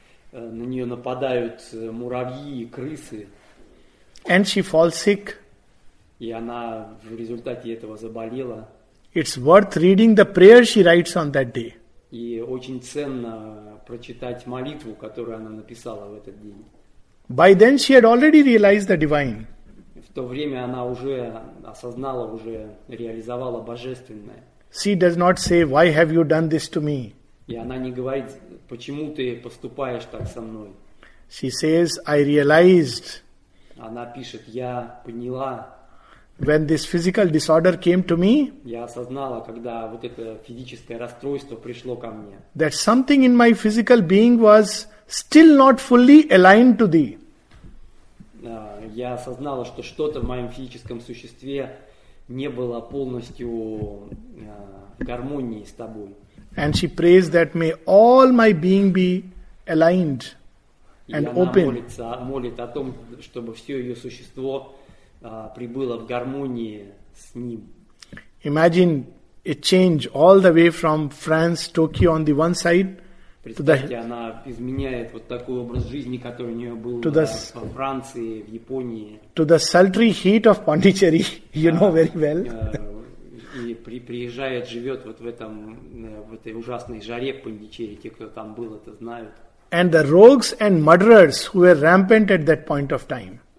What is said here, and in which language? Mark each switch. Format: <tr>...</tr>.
<ru>На нее нападают муравьи и крысы.</ru> <en>And she falls sick.</en> <ru>И она в результате этого заболела.</ru> <en>It's worth reading the prayer she writes on that day.</en> <ru>И очень ценно прочитать молитву, которую она написала в этот день.</ru> <en>By then she had already realized the divine.</en> <ru>В то время она уже осознала, уже реализовала божественное.</ru> <en>She does not say, why have you done this to me?</en> <ru>И она не говорит, почему ты поступаешь так со мной.</ru> <en>She says, I realized.</en> <ru>Она пишет, я поняла.</ru> <en>When this physical disorder came to me.</en> <ru>Я осознала, когда вот это физическое расстройство пришло ко мне.</ru> <en>That something in my physical being was still not fully aligned to thee.</en> <ru>Я осознала, что что-то в моем физическом существе не было полностью в гармонии с тобой.</ru> <en>And she prays that may all my being be aligned and open.</en> <ru>Молит о том, чтобы все ее существо прибыло в гармонии с ним.</ru> <en>Imagine a change all the way from France, Tokyo on the one side.</en> <ru>Представьте, она изменяет вот такой образ жизни, который у нее был во Франции, в Японии.</ru> <en>To the sultry heat of Pondicherry, you know very well.</en> <ru>И приезжает, живет вот в этом, в этой ужасной жаре в Пондичерри. Те, кто там был, это знают.</ru> <en>And the rogues and murderers who were rampant at that point of time.</en>